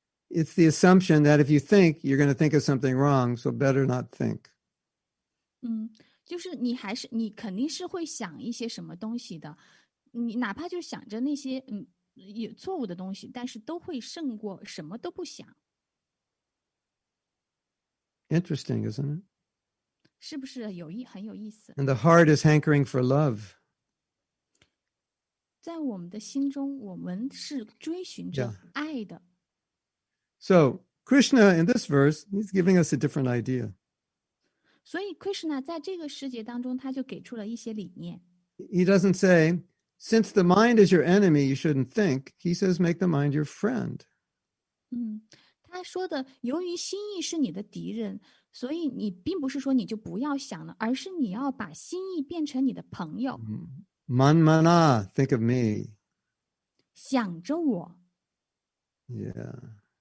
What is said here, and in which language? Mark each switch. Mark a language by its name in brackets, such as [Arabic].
[English] It's the assumption that if you think, you're going to think of something wrong, so better not think. [Chinese] 就是你肯定是会想一些什么东西的，你哪怕就想着那些有错误的东西，但是都会胜过什么都不想。 [English] Interesting, isn't it? [Chinese] 是不是很有意思？ [English] And the heart is hankering for love. [Chinese] 在我们的心中，我们是追寻着爱的。 [English] So, Krishna in this verse, he's giving us a different idea. [Chinese] 所以 Krishna 在这个世界当中，他就给出了一些理念。 [English] He doesn't say,Since the mind is your enemy, you shouldn't think. He says, make the mind your friend. [Chinese] 他说的，由于心意是你的敌人，所以你并不是说你就不要想了，而是你要把心意变成你的朋友。 [English] Manmana, think of me. [Chinese] 想着我。 [English] Yeah.